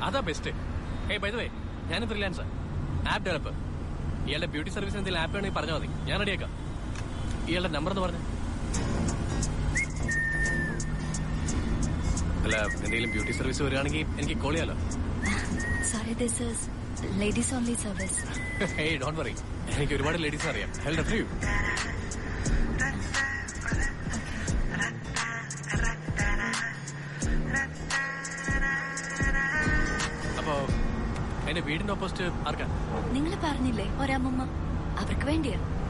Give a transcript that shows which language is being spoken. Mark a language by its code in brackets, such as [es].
[ml] അതാ best. Hey by the way, ഞാനും freelancer, app developer. ഇയാളുടെ ബ്യൂട്ടി സർവീസ് എന്തെങ്കിലും ആപ്പ് വേണമെങ്കിൽ പറഞ്ഞാൽ മതി, ഞാൻ റെഡിയാക്കാം. ഇയാളുടെ നമ്പർ എന്ന് പറഞ്ഞു. അല്ല എന്തെങ്കിലും ബ്യൂട്ടി സർവീസ് വരികയാണെങ്കിൽ എനിക്ക് കോൾ ചെയ്യാലോ? [en] Sorry, this is ladies only service. Hey, don't worry. [ml] എനിക്ക് ഒരുപാട് ladies അറിയാം. [en] I'll refer you. [ml] അപ്പോ എന്റെ വീടിന്റെ ഓപ്പോസിറ്റ് ആർക്കാ? നിങ്ങൾ പറഞ്ഞില്ലേ ഒരമ്മമ്മ, അവർക്ക് വേണ്ടിയാ.